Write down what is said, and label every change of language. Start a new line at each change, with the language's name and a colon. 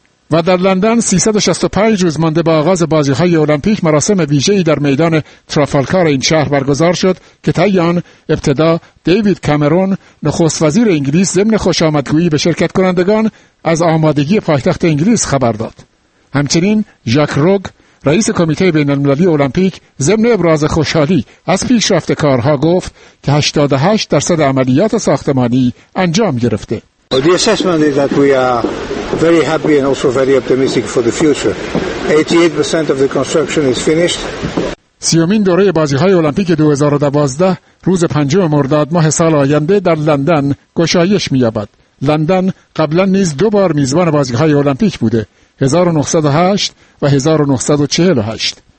Persian: و در لندن 365 روز مانده به آغاز بازی‌های المپیک مراسم ویژه‌ای در میدان ترافالکار این شهر برگزار شد که طی آن ابتدا دیوید کامرون نخست وزیر انگلیس ضمن خوشامدگویی به شرکت کنندگان از آمادگی پایتخت انگلیس خبر داد. همچنین ژاک روگ رئیس کمیته بین‌المللی المپیک ضمن ابراز خوشحالی از پیشرفت کارها گفت که 88% عملیات ساختمانی انجام گرفته.
English: The assessment is that we are very happy and also very optimistic for the future. 88% of the construction is finished.
Persian: سیومین دوره بازی‌های المپیک 2012 روز 5 مرداد ماه سال آینده در لندن گشایش می‌یابد. لندن قبلا نیز دو بار میزبان بازی‌های المپیک بوده، 1908 و 1948.